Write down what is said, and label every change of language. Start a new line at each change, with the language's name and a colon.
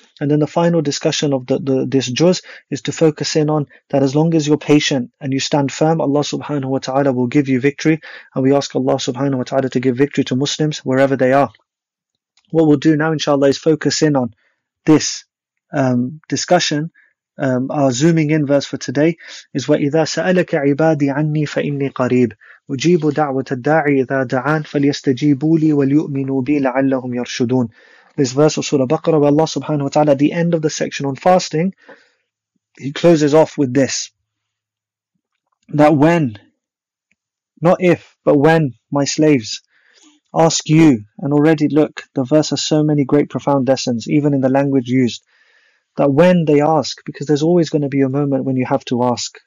English: And then the final discussion of this juz is to focus in on that as long as you're patient and you stand firm, Allah subhanahu wa ta'ala will give you victory. And we ask Allah subhanahu wa ta'ala to give victory to Muslims wherever they are. What we'll do now, inshallah, is focus in on this discussion. Our zooming in verse for today is
Arabic: وَإِذَا سَأَلَكَ عِبَادِي عَنِّي فَإِنِّي قَرِيبٌ أُجِيبُ دَعْوَةَ الدَّاعِ إِذَا دَعَانَ فَلْيَسْتَجِيبُوا لِي وَلْيُؤْمِنُوا بِي لَعَلَّهُمْ يَرْشُدُونَ.
English: This verse of Surah Baqarah, where Allah subhanahu wa ta'ala, at the end of the section on fasting, he closes off with this, that when, not if, but when my slaves ask you, and already look, the verse has so many great profound lessons, even in the language used, that when they ask, because there's always going to be a moment when you have to ask.